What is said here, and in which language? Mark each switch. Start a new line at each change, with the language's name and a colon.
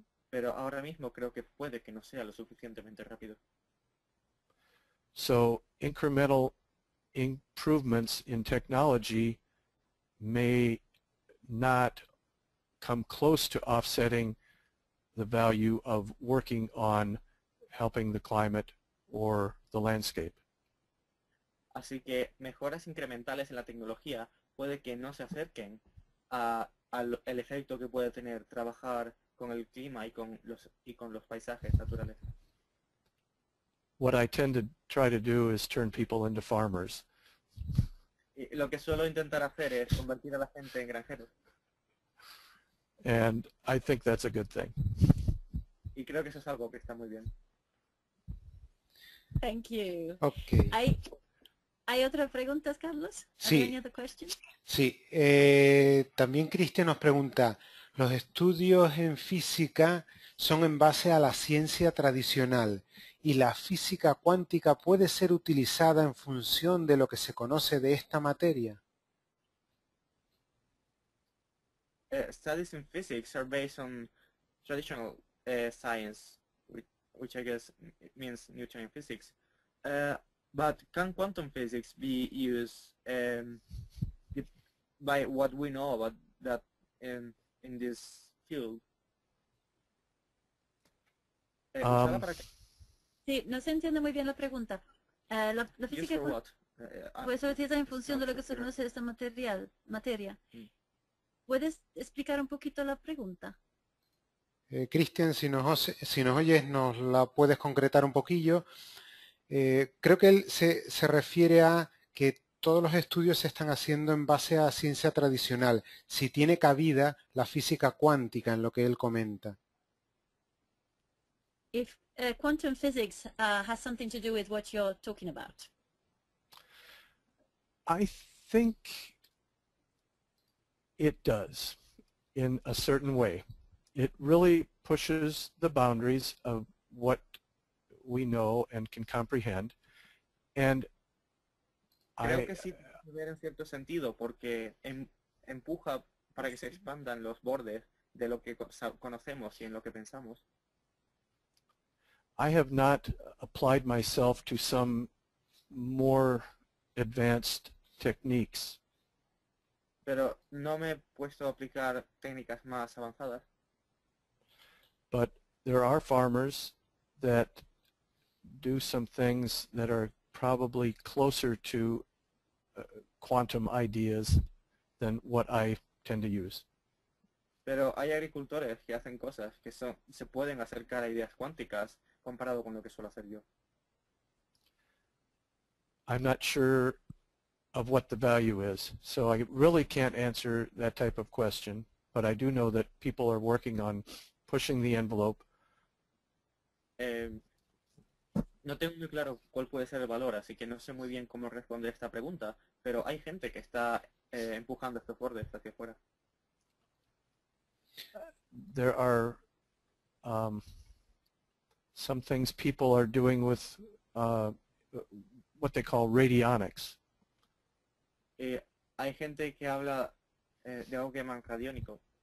Spanish: Pero ahora mismo creo que puede que no sea lo suficientemente rápido.
English: So, incremental improvements in technology may not come close to offsetting the value of working on helping the climate or the landscape.
Spanish: Así que mejoras incrementales en la tecnología puede que no se acerquen al efecto que puede tener trabajar con el clima y con los paisajes naturales.
English: What I tend to try to do is turn people into farmers.
Spanish: Y lo que suelo intentar hacer es convertir a la gente en granjeros.
English: And I think that's a good thing.
Spanish: Y creo que eso es algo que está muy bien.
English: Thank you. Okay.
Spanish: ¿Hay otra pregunta, Carlos? Sí.
English: Any other questions?
Spanish: Sí. También Cristian nos pregunta, los estudios en física son en base a la ciencia tradicional y la física cuántica puede ser utilizada en función de lo que se conoce de esta materia.
English: Studies in physics are based on traditional science, which I guess means Newtonian physics. But can quantum physics be used by what we know about that in this field?
Spanish: Sí, no se entiende muy bien la pregunta. La física
English: for what?
Spanish: Pues eso es en función de lo que se conoce de esta materia. ¿Puedes explicar un poquito la pregunta? Cristian, si nos oyes, nos la puedes concretar un poquillo. Creo que él se refiere a que todos los estudios se están haciendo en base a ciencia tradicional. Si tiene cabida la física cuántica en lo que él comenta.
English: If quantum physics has something to do with what you're talking about. I think it does in a certain way. It really pushes the boundaries of what we know and can comprehend. And
Spanish: creo que sí tiene cierto sentido porque empuja para que se expandan los bordes de lo que conocemos y en lo que pensamos.
English: I have not applied myself to some more advanced techniques.
Spanish: Pero no me he puesto a aplicar técnicas más avanzadas.
English: But there are farmers that do some things that are probably closer to quantum ideas than what I tend to use.
Spanish: Pero hay agricultores que hacen cosas que son, se pueden acercar a ideas cuánticas comparado con lo que suelo hacer yo.
English: I'm not sure of what the value is, so I really can't answer that type of question, but I do know that people are working on pushing the envelope.
Spanish: No tengo muy claro cuál puede ser el valor, así que no sé muy bien cómo responder esta pregunta, pero hay gente que está empujando estos bordes hacia afuera.
English: There are some things people are doing with what they call radionics.
Spanish: Hay gente que habla de algo que llaman radiónico.